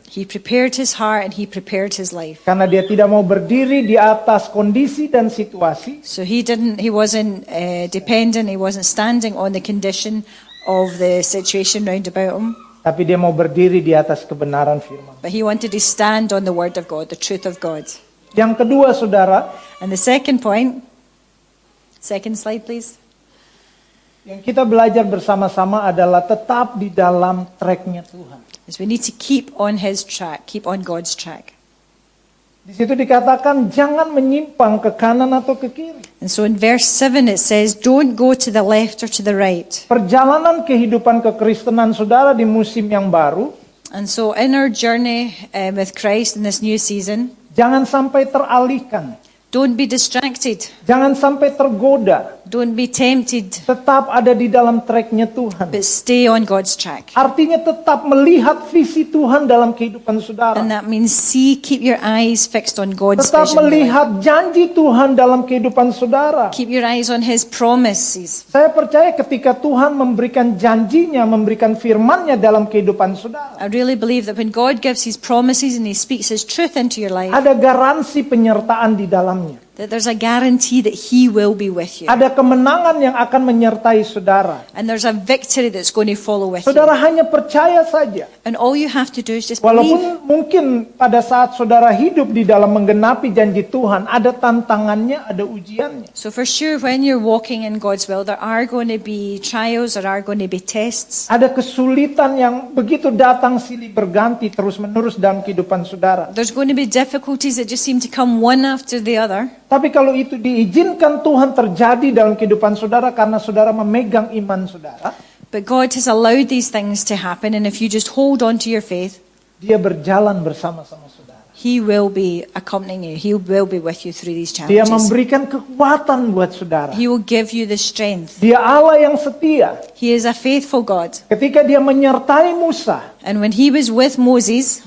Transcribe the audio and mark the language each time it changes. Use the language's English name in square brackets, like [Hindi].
[English] He prepared his heart and he prepared his life. [Indonesian] Karena dia tidak mau berdiri di atas kondisi dan situasi. [English] So he wasn't dependent, he wasn't standing on the condition of the situation round about him. [Indonesian] Tapi dia mau berdiri di atas kebenaran firman. [English] But he wanted to stand on the word of God, the truth of God. [Indonesian] Yang kedua, saudara. [English] And the second point. Second slide, please. [Indonesian] Yang kita belajar bersama-sama adalah tetap di dalam track-nya Tuhan. [English] So we need to keep on his track, keep on God's track. [Indonesian] Di situ dikatakan jangan menyimpang ke kanan atau ke kiri. [English] And so in verse 7 it says, don't go to the left or to the right. [Indonesian] Perjalanan kehidupan kekristenan saudara di musim yang baru. [English] And so in our journey with Christ in this new season. [Indonesian] Jangan sampai teralihkan. [English] Don't be distracted. [Indonesian] Jangan sampai tergoda. [English] Don't be tempted. [Indonesian] Tetap ada di dalam track-nya Tuhan. [English] But stay on God's track. [Indonesian] Artinya tetap melihat visi Tuhan dalam kehidupan saudara. [English] And that means see, keep your eyes fixed on God's [Indonesian] vision. Tetap melihat janji Tuhan dalam kehidupan saudara. [English] Keep your eyes on his promises. [Indonesian] Saya percaya ketika Tuhan memberikan janjinya, memberikan firman-Nya dalam kehidupan saudara. [English] I really believe that when God gives his promises and he speaks his truth into your life. [Indonesian] Ada garansi penyertaan di dalam. [English] That there's a guarantee that he will be with you. [Indonesian] Ada kemenangan yang akan menyertai saudara. [English] And there's a victory that's going to follow with [Indonesian] saudara [English] you. [Indonesian] Saudara hanya percaya saja. [English] And all you have to do is just believe. [Indonesian] Walaupun mungkin pada saat saudara hidup di dalam menggenapi janji Tuhan, ada tantangannya, ada ujiannya. [English] So for sure, when you're walking in God's will, there are going to be trials, there are going to be tests. [Indonesian] Ada kesulitan yang begitu datang silih berganti terus menerus dalam kehidupan saudara. [English] There's going to be difficulties that just seem to come one after the other. [Indonesian] Tapi kalau itu diizinkan Tuhan terjadi dalam kehidupan saudara karena saudara memegang iman saudara. [English] But God has allowed these things to happen, and if you just hold on to your faith, [Indonesian] dia berjalan bersama-sama saudara. [English] He will be accompanying you. He will be with you through these challenges. [Indonesian] Dia memberikan kekuatan buat saudara. [English] He will give you the strength. [Indonesian] Dia Allah yang setia. [English] He is a faithful God. [Indonesian] Ketika dia menyertai Musa, [English] and when he was with Moses,